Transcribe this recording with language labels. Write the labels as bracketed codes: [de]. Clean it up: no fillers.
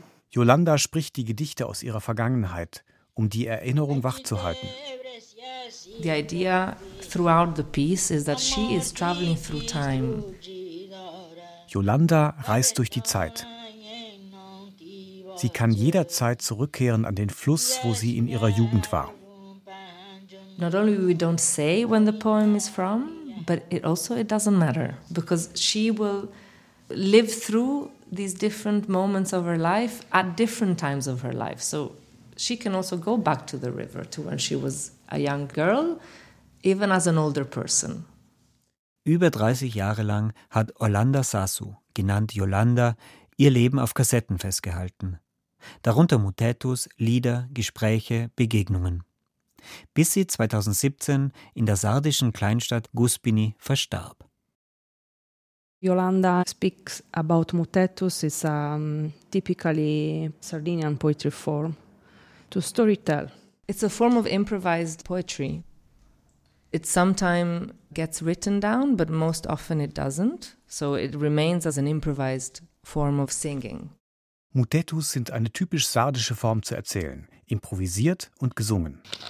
[de] Yolanda spricht die Gedichte aus ihrer Vergangenheit, um die Erinnerung wachzuhalten. [en] The idea throughout the piece is that she is traveling through time. [de] Yolanda reist durch die Zeit. Sie kann jederzeit zurückkehren an den Fluss, wo sie in ihrer Jugend war. [en] Not only we don't say when the poem is from, but it also it doesn't matter because she will live through these different moments of her life at different times of her life. So she can also go back to the river to when she was a young girl, even as an older person. [de] Über 30 Jahre lang hat Olanda Sasu, genannt Yolanda, ihr Leben auf Kassetten festgehalten. Darunter Mutetus, Lieder, Gespräche, Begegnungen. Bis sie 2017 in der sardischen Kleinstadt Guspini verstarb. [en] Yolanda speaks about Mutetus, it's a typically Sardinian poetry form, to storytell. It's a form of improvised poetry. It sometimes gets written down, but most often it doesn't. So it remains as an improvised form of singing. [de] Mutetus sind eine typisch sardische Form zu erzählen, improvisiert und gesungen.